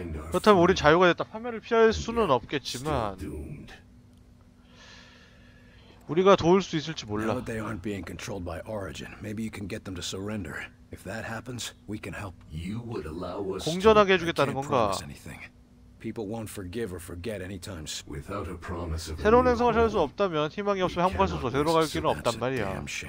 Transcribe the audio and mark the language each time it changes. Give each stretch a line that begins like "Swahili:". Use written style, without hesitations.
Korean: 그렇다면 우리 자유가 됐다. 파멸을 피할 수는 없겠지만 우리가 도울 수 있을지 몰라.
English: Now that they aren't being controlled by Origin, maybe you can get them to surrender. If that happens, we can help. You would allow us.
Korean: 공존하게 해주겠다는 건가?
English: People won't forgive or forget anytime. Without a promise of.
Korean: 새로운 행성을 찾을 수 없다면 희망이 없으면 항복할 수 없어. 새로 갈 길은 없단 말이야.